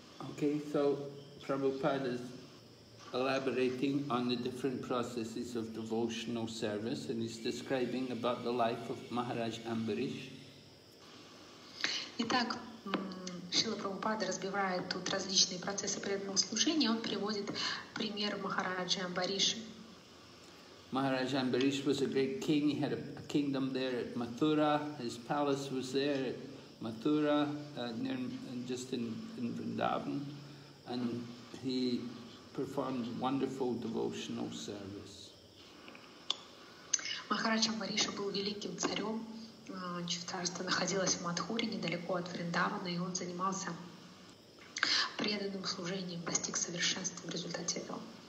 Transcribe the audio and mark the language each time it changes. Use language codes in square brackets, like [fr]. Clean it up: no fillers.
[en] Okay, so Prabhupada is elaborating on the different processes of devotional service, and he's describing about the life of Maharaj Amberish. [ru] Итак, Шрила Прабхупада разбирает тут различные процессы преданного служения, он приводит пример Махараджи Амбариши. [en] Maharaj Amberish was a great king. He had a kingdom there at Mathura. His palace was there at Mathura, just in Vrindavan, and he performed wonderful devotional service. [ru] Махарадж Амбариша был великим царем. Царство находилось в Матхуре, недалеко от Вриндавана, и он занимался преданным служением, достиг совершенства в результате этого.